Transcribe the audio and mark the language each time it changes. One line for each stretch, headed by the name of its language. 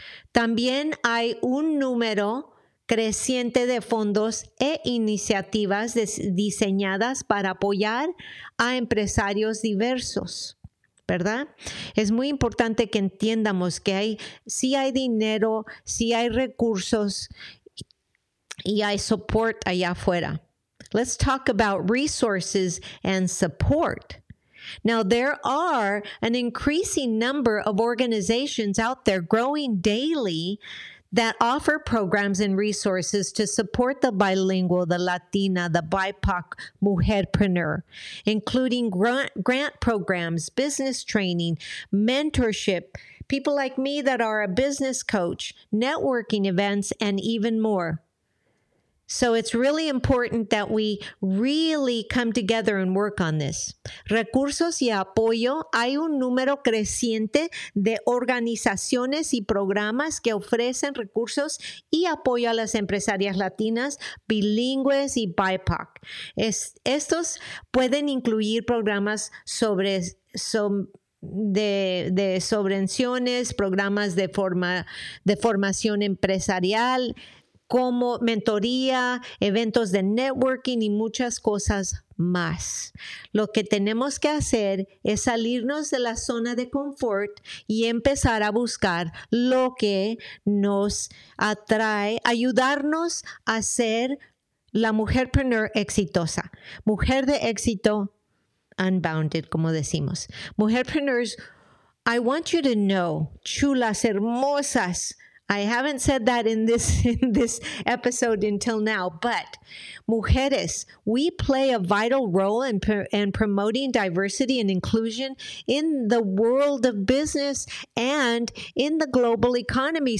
Spanish: También hay un número creciente de fondos e iniciativas diseñadas para apoyar a empresarios diversos. ¿Verdad? Es muy importante que entiendamos que sí hay dinero, sí hay recursos, y hay support allá afuera.
English: Let's talk about resources and support. Now, there are an increasing number of organizations out there growing daily that offer programs and resources to support the bilingual, the Latina, the BIPOC mujerpreneur, including grant programs, business training, mentorship, people like me that are a business coach, networking events, and even more. So it's really important that we really come together and work on this.
Spanish: Recursos y apoyo. Hay un número creciente de organizaciones y programas que ofrecen recursos y apoyo a las empresarias latinas, bilingües y BIPOC. Estos pueden incluir programas de subvenciones, programas de formación empresarial, como mentoría, eventos de networking y muchas cosas más. Lo que tenemos que hacer es salirnos de la zona de confort y empezar a buscar lo que nos atrae, ayudarnos a ser la mujerpreneur exitosa, mujer de éxito unbounded, como decimos.
English: Mujerpreneurs, I want you to know,
Spanish: chulas, hermosas,
English: I haven't said that in this episode until now, but mujeres, we play a vital role in promoting diversity and inclusion in the world of business and in the global economy.